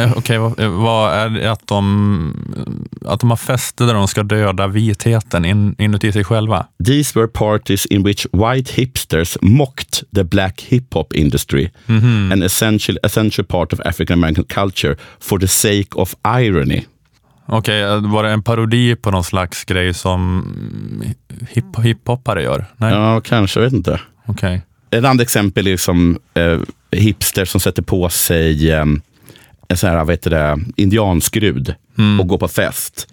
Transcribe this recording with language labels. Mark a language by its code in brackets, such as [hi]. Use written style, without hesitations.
[sv] Okej, vad är det att de har fäste där de ska döda vitheten inuti sig själva? [en] These were parties in which white hipsters mocked the black hip-hop industry. Mm-hmm. An essential part of African-American culture for the sake of irony. [sv] Okej, var det en parodi på någon slags grej som hip-hoppare gör? Nej. Ja, kanske, jag vet inte. Okej. Ett annat exempel är liksom hipster som sätter på sig en sån här, vad heter det, indianskrud och går på fest.